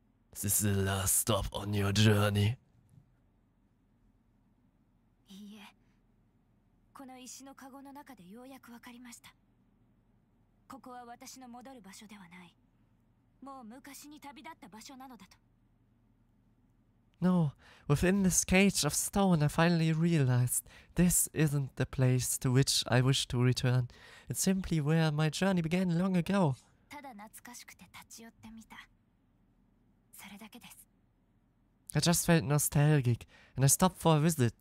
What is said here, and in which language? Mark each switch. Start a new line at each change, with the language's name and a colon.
English: This is the last stop on your journey.
Japanese: この石のカゴの中でようやくわかりました。ここは私の戻る場所ではない。もう昔に旅立った場所なのだと。
English: No, within this cage of stone, I finally realized this isn't the place to which I wish to return. It's simply where my journey began long ago.
Japanese: ただ懐かしくて立ち寄ってみた。それだけです。
English: I just felt nostalgic, and I stopped for a visit.